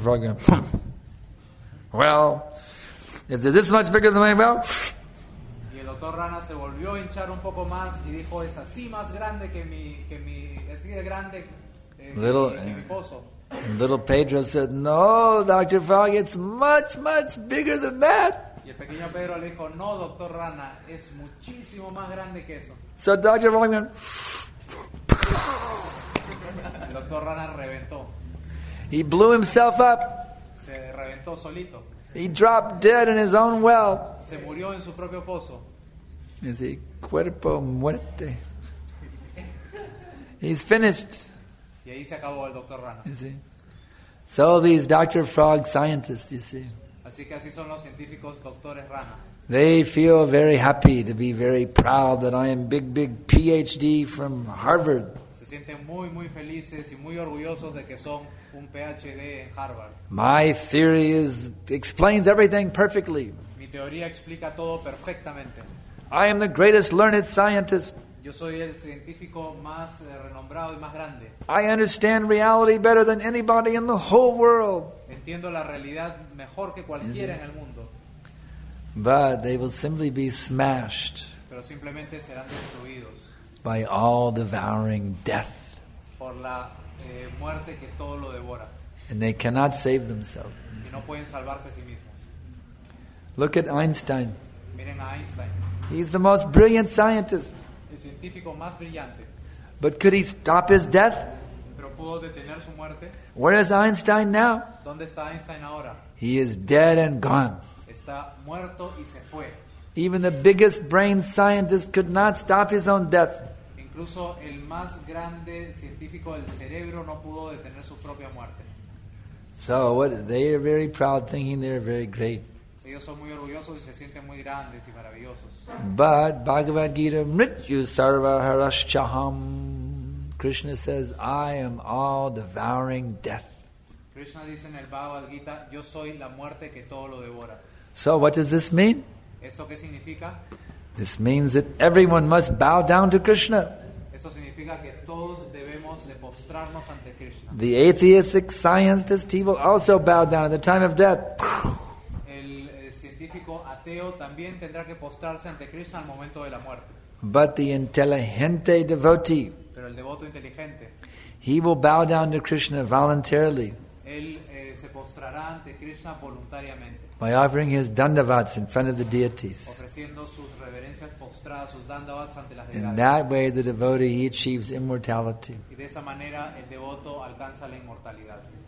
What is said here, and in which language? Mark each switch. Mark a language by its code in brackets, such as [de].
[en] Frog went, "Well, is it this much bigger than my well?" [es] El Dr. Rana se volvió a hinchar un poco más y dijo, "Es así más grande que mi así de grande que mi pozo." [en] And little Pedro said, "No, Dr. Frog, it's much, much bigger than that." [es] Y el pequeño Pedro le dijo, "No, Dr. Rana, es muchísimo más grande que eso." [en] So Dr. Frog went, [es] el Dr. Rana reventó. [en] He blew himself up. [es] Se reventó solito. [en] He dropped dead in his own well. [es] Se murió en su propio pozo. [en] Is he [es] cuerpo muerte? [en] He's finished. [es] Y ahí se acabó el Dr. Rana. [en] You see? So these Dr. Frog scientists, you see. [es] Así que así son los científicos doctores Rana. [en] They feel very happy to be very proud that I am big, big PhD from Harvard. [es] Se sienten muy, muy felices y muy orgullosos de que son un PhD en Harvard. [en] My theory explains everything perfectly. [es] Mi teoría explica todo perfectamente. [en] I am the greatest learned scientist. [es] Yo soy el científico más renombrado y más grande. [en] I understand reality better than anybody in the whole world. [es] Entiendo la realidad mejor que cualquiera en el mundo. [en] But they will simply be smashed. [es] Pero simplemente serán destruidos. [en] By all devouring death. [es] Por la muerte que todo lo devora. [en] And they cannot save themselves. [es] Y no pueden salvarse a sí mismos. [en] Look at Einstein. [es] Miren a Einstein. [en] He's the most brilliant scientist. [es] El científico más brillante. [en] But could he stop his death? [es] Pero pudo detener su muerte. [en] Where is Einstein now? [es] ¿Dónde está Einstein ahora? [en] He is dead and gone. [es] Está muerto y se fue. [en] Even the biggest brain scientist could not stop his own death. [es] incluso el más grande científico del cerebro no pudo detener su propia muerte. [en] So what, they are very proud, thinking they are very great. [es] Ellos son muy orgullosos y se sienten muy grandes y maravillosos. [en] But Bhagavad Gita [sa] Mrityu Sarva Harashchaham, [en] Krishna says, I am all devouring death. [es] Krishna dice en el Bhagavad Gita, yo soy la muerte que todo lo devora. [en] So what does this mean? [es] ¿Esto qué significa? [en] This means that everyone must bow down to Krishna. [es] Eso significa que todos debemos de postrarnos ante Krishna. [en] The atheistic scientist, he will also bow down at the time of death. [es] El científico ateo también tendrá que postrarse ante Krishna al momento de la muerte. [en] But the inteligente devotee, [es] pero el devoto inteligente, [en] he will bow down to Krishna voluntarily. [es] Él se postrará ante Krishna voluntariamente. [en] By offering his dandavats in front of the deities. [es] Ofreciendo sus reverencias postradas, sus dandavats ante las deidades. [en] In that way the devotee, he achieves immortality. [es] Y de esa manera el devoto alcanza la inmortalidad.